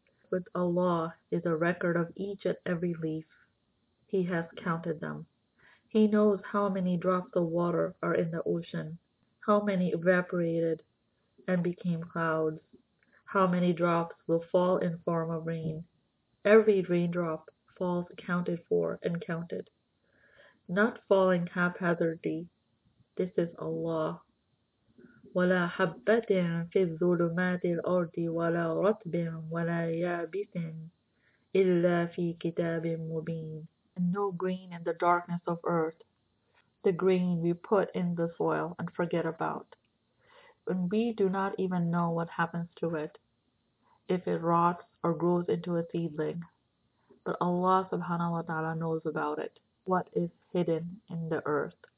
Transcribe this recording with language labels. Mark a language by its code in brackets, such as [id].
[en] But Allah is a record of each and every leaf. He has counted them. He knows how many drops of water are in the ocean, How many evaporated and became clouds? How many drops will fall in form of rain? Every raindrop falls accounted for and counted. Not falling haphazardly. This is Allah. [ar] ولا حبة في الظلمات الأرض ولا رطب ولا يابس إلا في كتاب مبين. [en] And no grain in the darkness of earth, the grain we put in the soil and forget about. And we do not even know what happens to it, if it rots or grows into a seedling. But Allah subhanahu wa ta'ala knows about it, what is hidden in the earth.